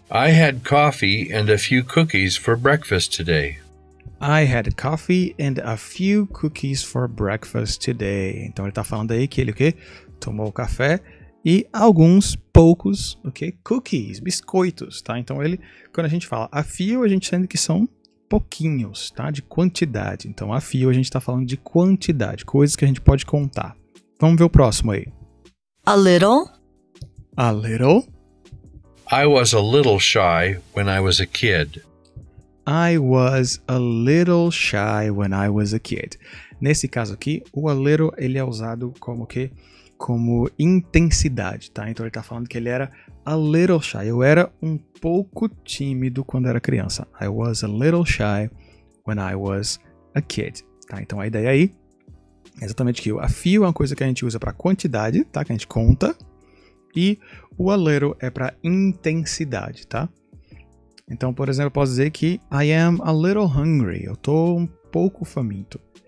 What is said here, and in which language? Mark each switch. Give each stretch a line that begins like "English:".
English: I had coffee and a few cookies for breakfast today. I had coffee and a few cookies for breakfast today.
Portuguese: Então, ele tá falando aí que ele o quê? Tomou café. E alguns, poucos, ok? Cookies, biscoitos, tá? Então, ele, quando a gente fala a few, a gente sabe que são pouquinhos, tá? De quantidade. Então, a few, a gente está falando de quantidade, coisas que a gente pode contar. Vamos ver o próximo aí.
English: A little. A little. I was a little shy when I was a kid. I was a little shy when I was a kid.
Portuguese: Nesse caso aqui, o a little, ele é usado como o quê? Como intensidade, tá? Então ele tá falando que ele era a little shy. Eu era um pouco tímido quando era criança.
English: I was a little shy when I was a kid.
Portuguese: Tá? Então a ideia aí é exatamente que o a few é uma coisa que a gente usa pra quantidade, tá? Que a gente conta. E o a little é pra intensidade, tá? Então, por exemplo, eu posso dizer que
English: I am a little hungry.
Portuguese: Eu tô um pouco faminto.